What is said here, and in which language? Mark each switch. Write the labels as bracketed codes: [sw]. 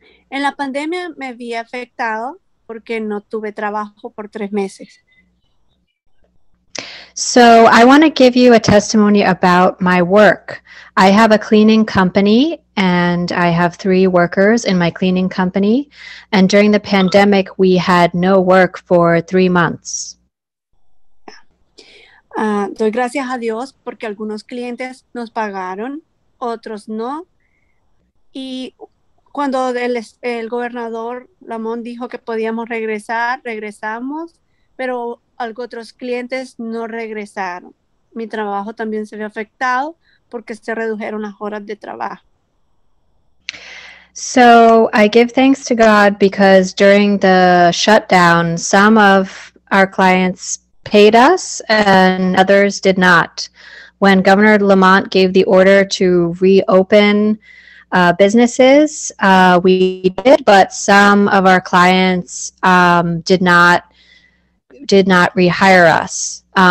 [es] En la pandemia me vi afectado porque no tuve trabajo por 3 meses. [en] So I want to give you a testimony about my work. I have a cleaning company and I have 3 workers in my cleaning company. And during the pandemic, we had no work for 3 months. [es] Doy gracias a Dios porque algunos clientes nos pagaron, otros no. Y cuando el gobernador Lamont dijo que podíamos regresar, regresamos, pero algo otros clientes no regresaron. Mi trabajo también se ve afectado porque se redujeron las horas de trabajo. [en] So I give thanks to God because during the shutdown, some of our clients paid us and others did not. When Governor Lamont gave the order to reopen businesses, we did, but some of our clients did not rehire us.